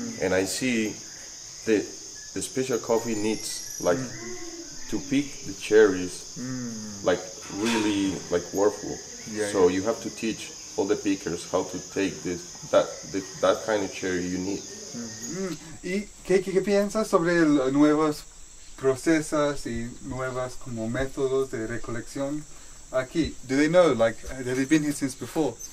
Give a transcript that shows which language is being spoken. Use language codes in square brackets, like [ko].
[en] And I see the special coffee needs like to pick the cherries like really like workful. So you have to teach all the pickers how to take this that kind of cherry you need. [es] ¿Y qué piensas sobre los nuevos procesos y nuevas como métodos de recolección aquí? [en] Do they know, like, have they been here since before?